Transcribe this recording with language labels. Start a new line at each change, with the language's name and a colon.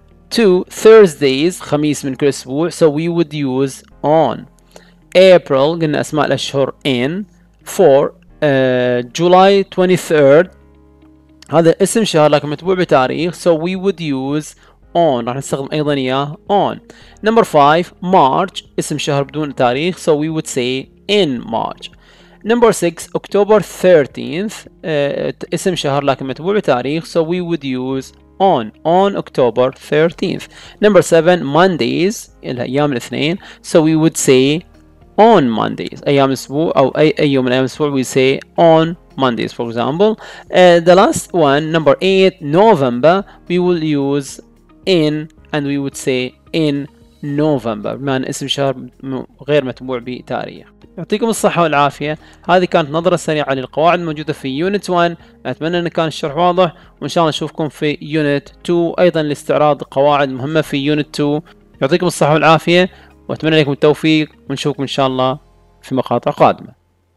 English: Two, Thursdays
Arabic: خميس من كل أسبوع
English: So we would use on April
Arabic: قلنا أسماء الأشهر
English: in Four, July 23rd
Arabic: هذا اسم شهر لكن متبوع بتاريخ
English: so we would use on
Arabic: راح نستخدم ايضا اياه
English: on number 5 march
Arabic: اسم شهر بدون تاريخ
English: so we would say in march number 6 october 13th
Arabic: اسم شهر لكن متبوع بتاريخ
English: so we would use on october 13th number 7 mondays
Arabic: ايام الاثنين
English: so we would say on mondays
Arabic: ايام الاسبوع او اي يوم من ايام الاسبوع
English: we say on Mondays, for example. The last one, number 8, November, we will use in, and we would say in November.
Arabic: بمعنى اسم شهر غير متبوع بتاريخ. يعطيكم الصحة والعافية. هذه كانت نظرة سريعة للقواعد الموجودة في Unit 1. أتمنى أن كان الشرح واضح. وإن شاء الله نشوفكم في Unit 2. أيضاً لاستعراض قواعد مهمة في Unit 2. يعطيكم الصحة والعافية. وأتمنى لكم التوفيق. ونشوفكم إن شاء الله في مقاطع قادمة.